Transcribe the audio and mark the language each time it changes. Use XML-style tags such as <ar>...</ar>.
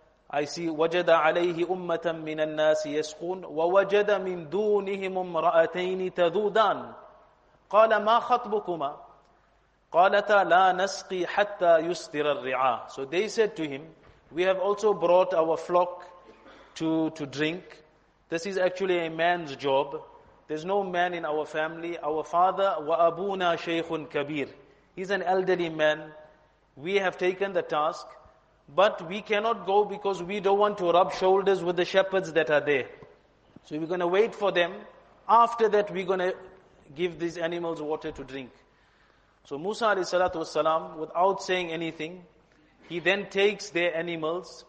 <en>I see,</en> <ar>وَجَدَ عَلَيْهِ أُمَّةً مِنَ النَّاسِ يَسْقُونَ وَوَجَدَ مِنْ دُونِهِمُ امْرَأَتَيْنِ تَذُودَانِ قَالَ مَا خَطْبُكُمَا قَالَتَا لَا نَسْقِي حَتَّى يُسْتِرَ الرِّعَى.</ar> <en>So they said to him, we have also brought our flock to drink. This is actually a man's job. There's no man in our family. Our father,</en> <ar>وَأَبُونَا شَيْخٌ كَبِيرٌ.</ar> <en>He's an elderly man. We have taken the task, but we cannot go because we don't want to rub shoulders with the shepherds that are there. So we're going to wait for them. After that, we're going to give these animals water to drink. So Musa alayhi salatu wasalam, without saying anything, he then takes their animals.</en>